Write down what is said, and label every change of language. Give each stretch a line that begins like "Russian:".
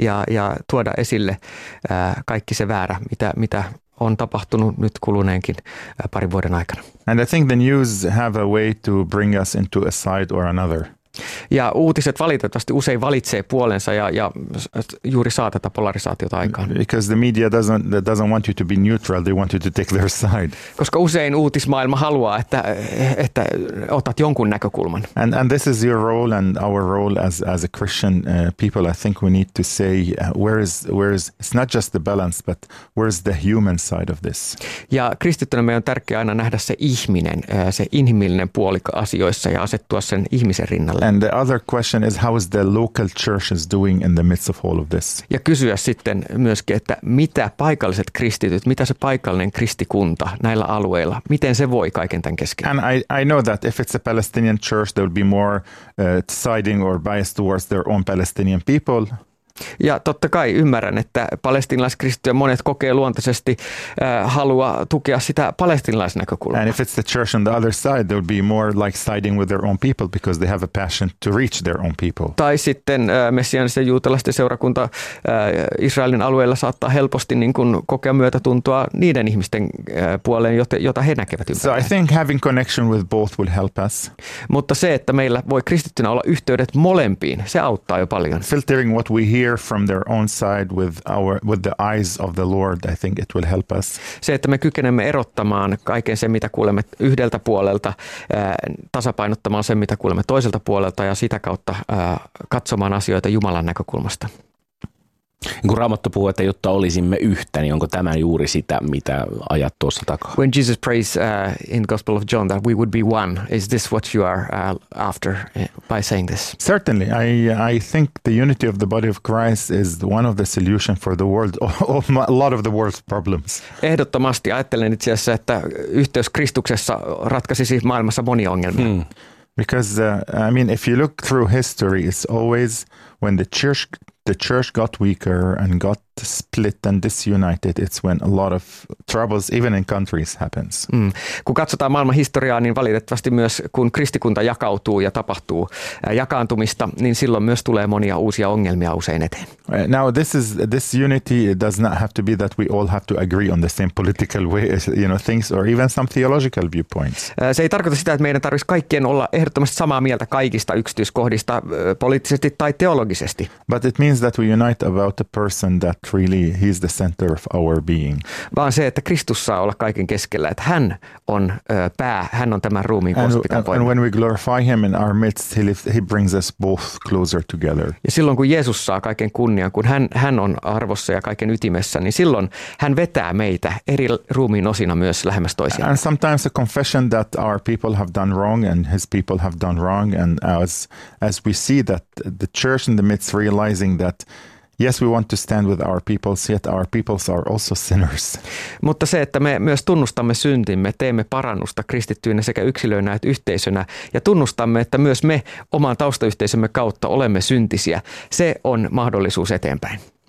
Finnish: Ja tuoda esille kaikki se väärä, mitä on tapahtunut nyt kuluneenkin parin vuoden aikana.
English: And I think the news have a way to bring us into a side or another.
Finnish: Ja uutiset valitettavasti usein valitsee puolensa ja juuri saa tätä polarisaatiota aikaan.
English: Because the media doesn't want you to be neutral, they want you to take their side.
Finnish: Koska usein uutismaailma haluaa, että otat jonkun näkökulman.
English: And this is your role and our role as a Christian people. I think we need to say where is it's not just the balance, but where is the human side of this?
Finnish: Ja kristittynä meidän on tärkeää aina nähdä se ihminen, se inhimillinen puoli asioissa ja asettua sen ihmisen rinnalle.
English: And the other question is how is the local church is doing in the midst of all of this?
Finnish: Ja kysyä sitten myöskin, että mitä paikalliset kristityt, mitä se paikallinen kristikunta näillä alueilla, miten se voi kaiken tämän keskellä?
English: And I know that if it's a Palestinian church, there would be more siding or bias towards their own Palestinian people.
Finnish: Ja totta kai ymmärrän, että palestinalaiskristittyjä monet kokee luontaisesti halua tukea sitä palestinalaisnäkökulmaa.
English: And if it's the church on the other side, they would be more like siding with their own people because they have a passion to reach their own people.
Finnish: Tai sitten messiaanisten juutalaisten seurakunta Israelin alueella saattaa helposti niin kuin kokea myötätuntoa niiden ihmisten puoleen, jota he näkevät ympärillä.
English: So I think having connection with both will help us.
Finnish: Mutta se, että meillä voi kristittynä olla yhteydet molempiin, se auttaa jo paljon.
English: Filtering what we hear from their own side with the eyes of the Lord, I think it will help us.
Finnish: Se, että me kykenemme erottamaan kaiken sen, mitä kuulemme yhdeltä puolelta, tasapainottamaan sen, mitä kuulemme toiselta puolelta ja sitä kautta katsomaan asioita Jumalan näkökulmasta. Kun Raamattu puhuu, että jotta olisimme yhtä, niin onko tämä juuri sitä, mitä ajat tuossa takaa?
English: When Jesus prays in the Gospel of John that we would be one, is this what you are after by saying this? Certainly. I think the unity of the body of Christ is one of the solution for the world, a lot of the world's problems.
Finnish: Ehdottomasti ajattelen itse asiassa, että yhteys Kristuksessa ratkaisisi maailmassa monia ongelmia. Hmm.
English: Because, I mean, if you look through history, it's always when the church got weaker and got split and disunited, it's when a lot of troubles, even in countries, happens. Mm.
Finnish: Kun katsotaan maailman historiaa, niin valitettavasti myös kun kristikunta jakautuu ja tapahtuu jakaantumista, niin silloin myös tulee monia uusia ongelmia usein eteen.
English: Now this unity does not have to be that we all have to agree on the same political way, you know, things or even some theological viewpoints.
Finnish: Se ei tarkoita sitä, että meidän tarvitsisi kaikkien olla ehdottomasti samaa mieltä kaikista yksityiskohdista poliittisesti tai teologisesti.
English: But it means that we unite about a person that really he's the center of our being.
Finnish: Vaan se, että Kristus saa olla kaiken keskellä, että hän on pää, hän on tämän ruumiin kohdassa.
English: And when we glorify him in our midst, he brings us both closer together.
Finnish: Ja silloin kun Jeesus saa kaiken kunnian, kun hän on arvossa ja kaiken ytimessä, niin silloin hän vetää meitä eri ruumiin osina myös lähemmäs toisiaan.
English: And sometimes a confession that our people have done wrong and his people have done wrong, and as we see that the church in the midst realizing that Yes, we want to stand with our peoples, yet our peoples are also sinners.
Finnish: Mutta se, että me myös tunnustamme syntimme, teemme parannusta kristittyinä sekä yksilöinä että yhteisönä, ja tunnustamme, että myös me oman taustayhteisömme kautta olemme syntisiä, se on mahdollisuus eteenpäin.